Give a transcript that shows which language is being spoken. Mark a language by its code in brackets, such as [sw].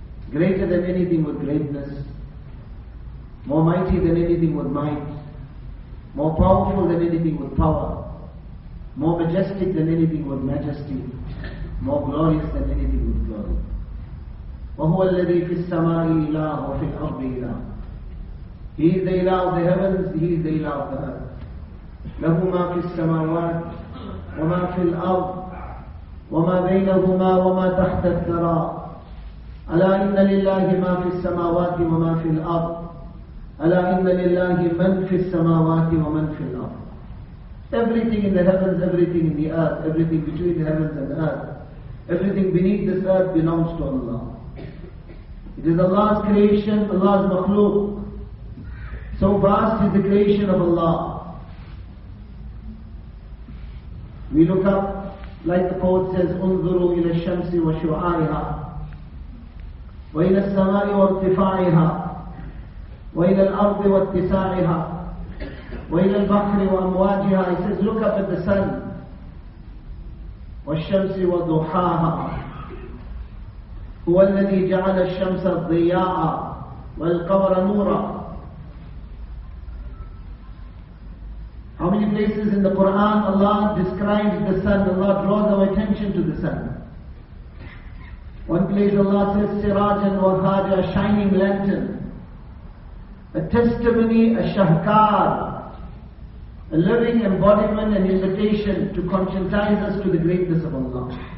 [en] Greater than anything with greatness, more mighty than anything with might, more powerful than anything with power, more majestic than anything with majesty, more glorious than anything with glory. [ar] وَهُوَ الَّذِي فِي السَّمَاءِ إِلَهُ وَفِي الْأَرْضِ إِلَهُ [en] He is the Ilah of the heavens, He is the Ilah of the earth. [ar] لَهُ مَا فِي السَّمَاوَاتِ وَمَا فِي الْأَرْضِ وَمَا بَيْنَهُمَا وَمَا تَحْتَ الثَّرَى أَلَا إِنَّ لِلَّهِ مَا فِي السَّمَاوَاتِ وَمَا فِي الْأَرْضِ أَلَا إِنَّ لِلَّهِ مَنْ فِي السَّمَاوَاتِ وَمَنْ فِي الْأَرْضِ [en] Everything in the heavens, everything in the earth, everything between the heavens and the earth, everything beneath this earth belongs to Allah. It is Allah's creation, Allah's makhluk. So vast is the creation of Allah. We look up, like the poet says, [ar] أُنْظُرُوا إِلَى الشَّمْسِ وَشُعَائِهَا وَإِلَى السَّمَاءِ وَارْتِفَاعِهَا وإلى الأرض واتساعها وإلى البحر وأمواجها. [en] He says, look up at the sun [ar] والشمس وضحاها هو الذي جعل الشمس ضياء والقمر نورا. [en] How many places in the Quran Allah describes the sun, Allah draws our attention to the sun. One place Allah says, sirajan wahaja, shining lantern. A testimony, a shahkar, a living embodiment and invitation to conscientize us to the greatness of Allah.